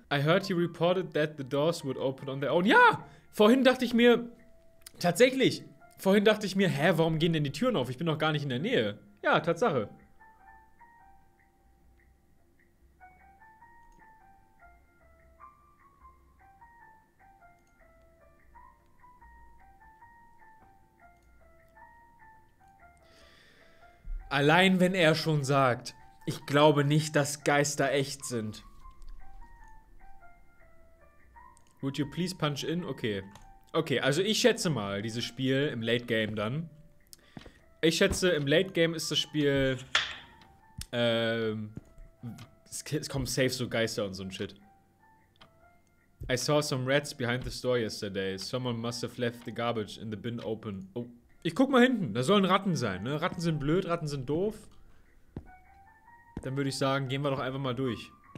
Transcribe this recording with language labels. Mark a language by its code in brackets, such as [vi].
[en] I heard you reported that the doors would open on their own. [de] Ja! Vorhin dachte ich mir, tatsächlich, vorhin dachte ich mir, hä, warum gehen denn die Türen auf? Ich bin doch gar nicht in der Nähe. Ja, Tatsache. Allein wenn er schon sagt, ich glaube nicht, dass Geister echt sind. [en] Would you please punch in? [de] Okay. Okay, also ich schätze mal dieses Spiel im Late Game dann. Ich schätze, im Late Game ist das Spiel, es kommen safe so Geister und so ein Shit. [en] I saw some rats behind the store yesterday. Someone must have left the garbage in the bin open. Oh. [de] Ich guck mal hinten, da sollen Ratten sein, ne? Ratten sind blöd, Ratten sind doof. Dann würde ich sagen, gehen wir doch einfach mal durch.